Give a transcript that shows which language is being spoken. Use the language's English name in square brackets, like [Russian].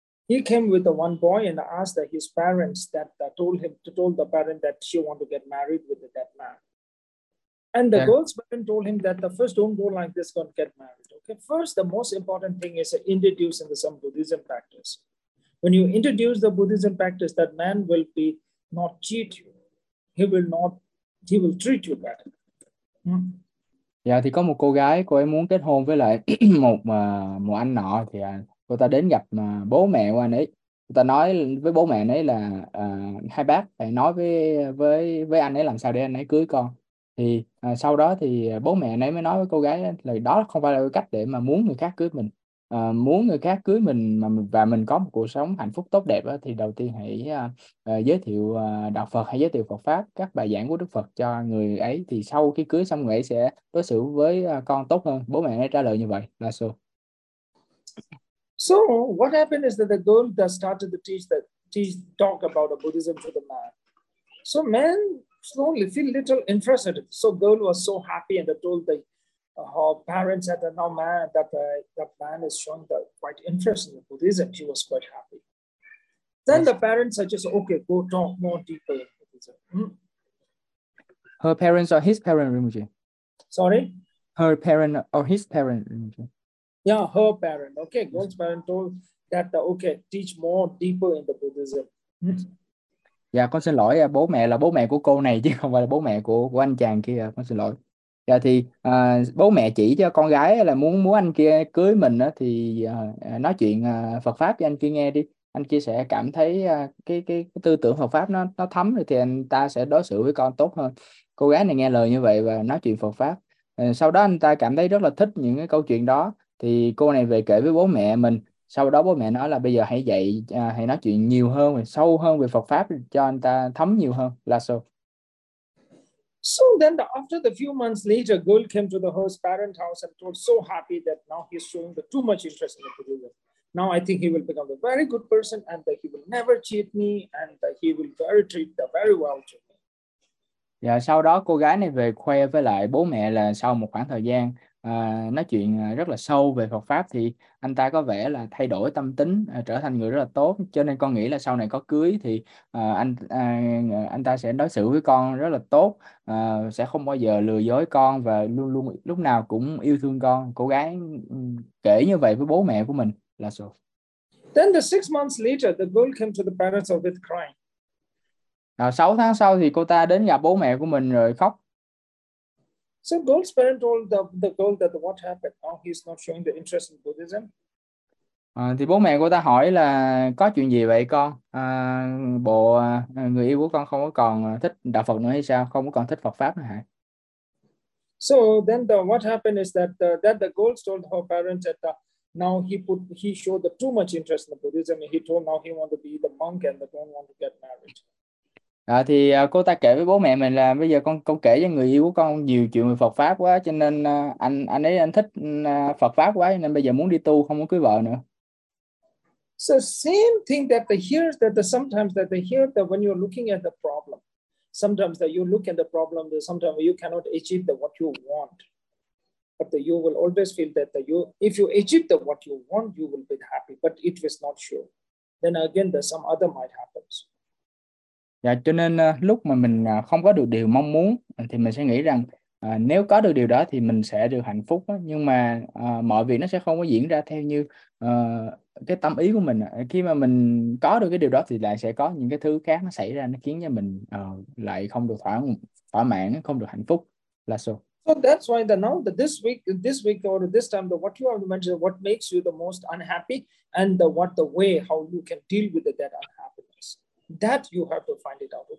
[English] He came with the one boy and asked that his parents that told him to told the parent that she want to get married with that man. And the Yeah. girl's parent told him that the first don't go like this, gonna get married. Okay, first the most important thing is introduce into some Buddhism practice. When you introduce the Buddhism practice, that man will be not cheat you. He will treat you better. [Vietnamese] Dạ, thì có một cô gái, cô ấy muốn kết hôn với lại một anh nọ, thì cô ta đến gặp bố mẹ của anh ấy. Cô ta nói với bố mẹ anh ấy là hai bác phải nói với anh ấy làm sao để anh ấy cưới con. Thì sau đó thì bố mẹ anh ấy mới nói với cô gái là đó không phải là cách để mà muốn người khác cưới mình. Muốn người khác cưới mình mà và mình có một cuộc sống hạnh phúc tốt đẹp thì đầu tiên hãy giới thiệu đạo Phật, hay giới thiệu Phật pháp, các bài giảng của Đức Phật cho người ấy, thì sau khi cưới xong người ấy sẽ đối xử với con tốt hơn. Bố mẹ ấy trả lời như vậy là sao? [English] So what happened is that the girl that started to teach that teach talk about the Buddhism to the man. So man slowly feel little interested. So girl was so happy and told the her parents that now man that the man is showing the quite interest in the Buddhism. She was quite happy. Then the parents suggest, okay, go talk more deeper in Buddhism. Her parents or his parents, Rinpoche? Sorry. Her parents or his parents, Rinpoche? Yeah, her parent. Okay, girl's parent told that okay, teach more deeper in the Buddhism. [Vietnamese] Dạ, con xin lỗi, bố mẹ là bố mẹ của cô này chứ không phải là bố mẹ của anh chàng kia, con xin lỗi. Dạ thì bố mẹ chỉ cho con gái là muốn muốn anh kia cưới mình thì nói chuyện Phật pháp cho anh kia nghe đi. Anh kia sẽ cảm thấy cái tư tưởng Phật pháp nó thấm rồi thì anh ta sẽ đối xử với con tốt hơn. Cô gái này nghe lời như vậy và nói chuyện Phật pháp. Sau đó anh ta cảm thấy rất là thích những cái câu chuyện đó, thì cô này về kể với bố mẹ mình. Sau đó bố mẹ nói là bây giờ hãy dạy, hãy nói chuyện nhiều hơn và sâu hơn về Phật pháp cho anh ta thấm nhiều hơn. Là sao? [English] So then after the few months later, girl came to the host parent house and told so happy that now he's showing the too much interest in the Buddhism. Now I think he will become a very good person and that he will never cheat me and that he will very treat the very well to [Vietnamese] Dạ, sau đó cô gái này về khoe với lại bố mẹ là sau một khoảng thời gian nói chuyện rất là sâu về Phật pháp thì anh ta có vẻ là thay đổi tâm tính, trở thành người rất là tốt, cho nên con nghĩ là sau này có cưới thì anh ta sẽ đối xử với con rất là tốt, sẽ không bao giờ lừa dối con và luôn luôn lúc nào cũng yêu thương con. Cô gái kể như vậy với bố mẹ của mình là sao? [English] Then the 6 months later, the girl came to the parents of it crying. [Vietnamese] À, 6 tháng sau thì cô ta đến gặp bố mẹ của mình rồi khóc. [English] So girl's parents told the girl that what happened? Now he's not showing the interest in Buddhism. [Vietnamese] À, thì bố mẹ cô ta hỏi là có chuyện gì vậy con? Bộ người yêu của con không có còn thích đạo Phật nữa hay sao? Không có còn thích Phật pháp nữa hả? [English] So then what happened is that the girl told her parents that now he showed the too much interest in the Buddhism and he told now he want to be the monk and they don't want to get married. [Vietnamese] À, thì cô ta kể với bố mẹ mình là bây giờ con kể cho người yêu của con nhiều chuyện về Phật pháp quá, cho nên anh thích Phật pháp quá nên bây giờ muốn đi tu, không muốn cưới vợ nữa. [English] So same thing that they hear that the sometimes that they hear that when you're looking at the problem, sometimes that you look at the problem that sometimes you cannot achieve the what you want. But the, you will always feel that the, you if you achieve the what you want, you will be happy, but it was not sure. Then again the some other might happen. [Vietnamese] Dạ, cho nên lúc mà mình không có được điều mong muốn thì mình sẽ nghĩ rằng nếu có được điều đó thì mình sẽ được hạnh phúc đó. Nhưng mà mọi việc nó sẽ không có diễn ra theo như cái tâm ý của mình. Khi mà mình có được cái điều đó thì lại sẽ có những cái thứ khác nó xảy ra, nó khiến cho mình lại không được thỏa mãn, không được hạnh phúc là sao? [English] So that's why the now the this week or this time the what you have mentioned what makes you the most unhappy and the what the way how you can deal with that unhappiness that you have to find it out.